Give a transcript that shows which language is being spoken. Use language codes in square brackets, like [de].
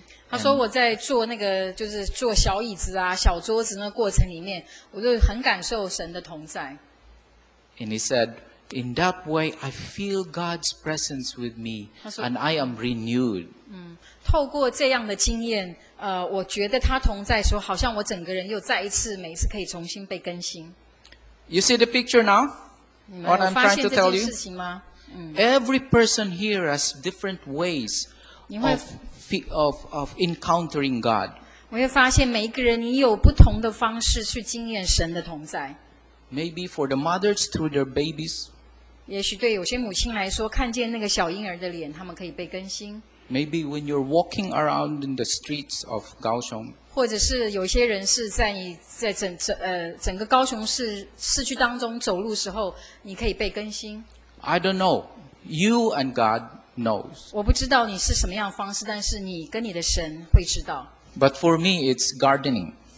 [zh] 他说我在做那个就是做小椅子啊小桌子那过程里面，我就很感受神的同在。 [en] And he said, in that way, I feel God's presence with me, and I am renewed. [zh] 透过这样的经验。我觉得他同在的时候，好像我整个人又再一次，每一次可以重新被更新。 [en] You see the picture now? What I'm trying to tell you? Every person here has different ways of encountering God. [zh] 你会发现每一个人，你有不同的方式去经验神的同在。 [en] Maybe for the mothers through their babies. [zh] 也许对有些母亲来说，看见那个小婴儿的脸，他们可以被更新。 [en] Maybe when you're walking around in the streets of Kaohsiung, [zh] 或者是有些人是在你在整个高雄市区当中走路时候，你可以被更新。 [en] I don't know. You and God knows. [zh] 我不知道你是什么样的方式，但是你跟你的神会知道。 [en] But for me, it's gardening.